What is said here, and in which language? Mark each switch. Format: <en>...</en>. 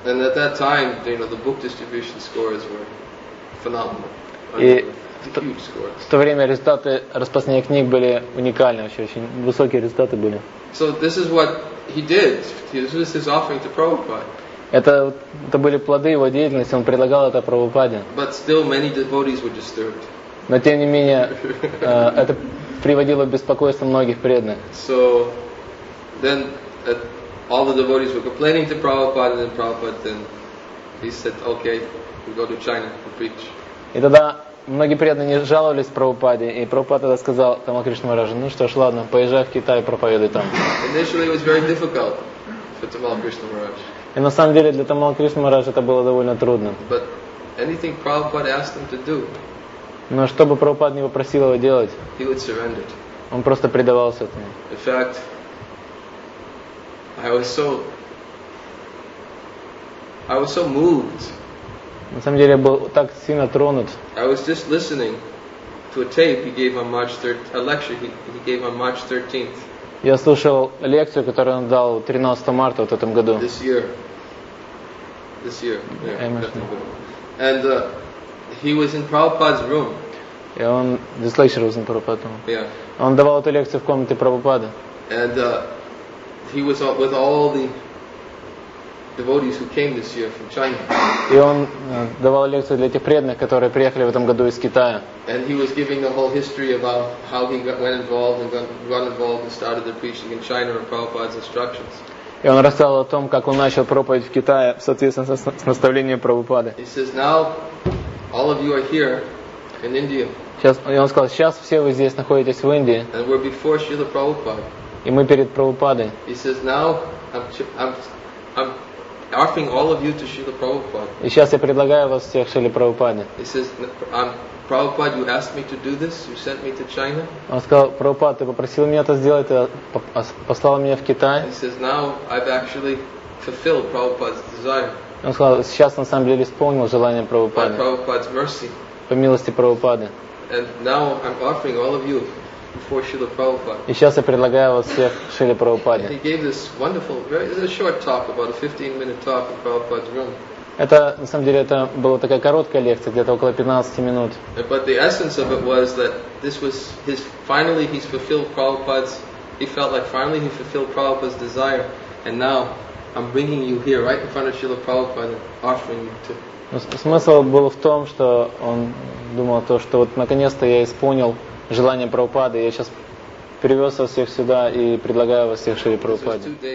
<en>And at that time, you know, the book distribution scores were phenomenal.</en> <ru>В то время результаты распространения книг были уникальны, вообще очень высокие результаты были.</ru> <en>So this is what he did. This was his offering to Prabhupada.</en> <ru>Это были плоды его деятельности, он предлагал это Прабхупаде.</ru> <en>But still many devotees were disturbed.</en> <ru>Но тем не менее, это приводило к беспокойству многих преданных.</ru> <en>So then all the devotees were complaining to Prabhupada, and then Prabhupada then he said, okay, we go to China to preach.</en> <ru>И тогда многие преданные жаловались Прабхупаде, и Прабхупада тогда сказал Tamal Krishna Maharaj, ну что ж, ладно, поезжай в Китай, проповедуй там.</ru> <en>Initially it was very difficult for Tamal Krishna Maharaj.</en> <ru>И на самом деле для Tamal Krishna Maharaj это было довольно трудно.</ru> <en>But anything Prabhupada asked him to do.</en> <ru>Но что бы Прабхупада не попросил его делать,</ru> <en>he would surrender.</en> <ru>Он просто предавался этому.</ru> <en>In fact, I was so moved.</en> <ru>На самом деле я был так сильно тронут.</ru> <en>I was just listening to a tape he gave on March 13th, a lecture he gave on March 13th.</en> <ru>Я слушал лекцию, которую он дал 13 марта вот этом году.</ru> <en>This year. Yeah, and he was in Prabhupada's room.</en> <ru>И он,</ru> <en>this lecture was in Prabhupada's room. Yeah.</en> <ru>Он давал эту лекцию в комнате Прабхупады.</ru> <en>And he was with all the devotees who came this year from China.</en> <ru>И он давал лекцию для тех преданных, которые приехали в этом году из Китая.</ru> <en>And he was giving the whole history about how he got involved and started the preaching in China on Prabhupada's instructions.</en> <ru>И он рассказал о том, как он начал проповедь в Китае в соответствии с наставлением Прабхупады.</ru> <en>He says, now all of you are here in India.</en> <ru>И он сказал, сейчас все вы здесь находитесь в Индии.</ru> <en>And we're before Srila Prabhupada.</en> <ru>И мы перед Прабхупадой.</ru> <en>He says, now I'm offering all of you to Srila Prabhupada.</en> <ru>И сейчас я предлагаю вас всех Шриле Прабхупаде.</ru> <en>He says, Prabhupada, you asked me to do this. You sent me to China.</en> <ru>Он сказал, Прабхупад, ты попросил меня это сделать, ты послал меня в Китай.</ru> <en>He says, now I've actually fulfilled Prabhupada's desire.</en> <ru>Он сказал, сейчас на самом деле исполнил желание Прабхупады.</ru> <en>By Prabhupada's mercy.</en> <ru>По милости Прабхупады.</ru> <en>And now I'm offering all of you before Srila Prabhupada.</en> <ru>И сейчас я предлагаю вас всех Шриле Прабхупаде.</ru> <en>He gave this wonderful, very short talk, about a 15-minute talk in Prabhupada's room.</en> <ru>Это, на самом деле, это была такая короткая лекция, где-то около 15 минут.</ru> <en>But the essence of it was that this was his, finally he's fulfilled Prabhupada's, he felt like finally he fulfilled Prabhupada's desire. And now I'm bringing you here right in front of Srila Prabhupada, offering you to.</en> <ru>Смысл был в том, что он думал то, что вот наконец-то я исполнил желание Прабхупады, я сейчас привез вас всех сюда и предлагаю вас всех Шри Прабхупаде.</ru>